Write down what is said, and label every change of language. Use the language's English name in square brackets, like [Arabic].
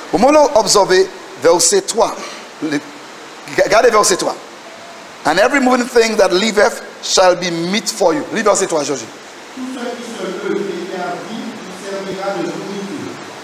[French] Au moment où vous observez verset 3, regardez verset 3. [English] And every moving thing that liveth shall be meat for you. [French] Lisez verset 3, Georges. Tout ce qui se peut et est à vie vous servira de nourriture.